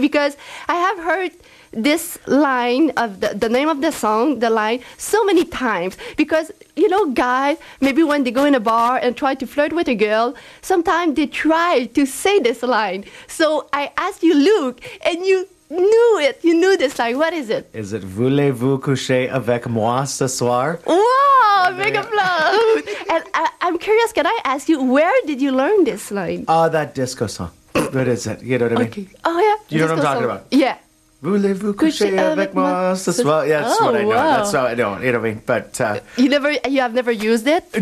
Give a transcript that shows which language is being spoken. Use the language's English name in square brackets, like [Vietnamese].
[English] Because I have heard this line of the name of the song, the line, so many times. Because, you know, guys, maybe when they go in a bar and try to flirt with a girl, sometimes they try to say this line. So I asked you, Luc, and you knew it. You knew this line. What is it? Is it [French] Voulez-vous coucher avec moi ce soir? [English] Wow, big applause. And I'm curious, can I ask you, where did you learn this line? That disco song. What is it? You know what I mean? Oh, yeah. Do you know what I'm talking about? Yeah. [French] Voulez-vous coucher avec moi ce soir? [English] Yeah, that's what I know. Wow. That's what I know. You know what I mean? But you have never used it?